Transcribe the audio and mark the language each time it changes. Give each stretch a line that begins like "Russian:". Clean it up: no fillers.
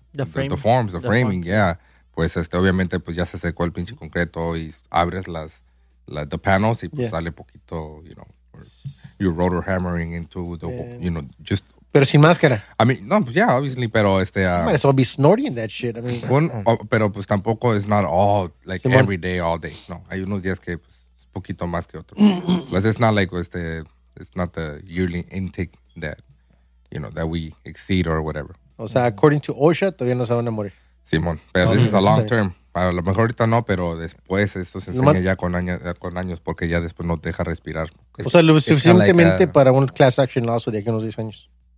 English: The forms, the framing, form. Yeah.
Spanish: Pues obviamente pues ya se secó el pinche concreto y abres las
English: the panels
Spanish: y pues sale poquito,
English: you know, your rotor hammering into the, you know, just...
Spanish: Pero sin máscara.
English: I mean, no, pues yeah, obviously, pero You might as well be snorting that shit, I mean...
Spanish: Pero pues tampoco es
English: not all, like, Simón. Every day, all day, no.
Spanish: Hay unos días que pues, es poquito más que otro.
English: Plus, it's not like, it's not the yearly intake that, you know, that we exceed or whatever.
Spanish: O sea,
English: according to OSHA,
Spanish: todavía no se van a morir.
English: Simón, pero this is a long term.
Spanish: A lo mejor ahorita no, pero después esto se enseña ya con años, porque ya después no deja respirar. O sea, lo suficientemente like para un class action lawsuit de aquí a unos 10 años.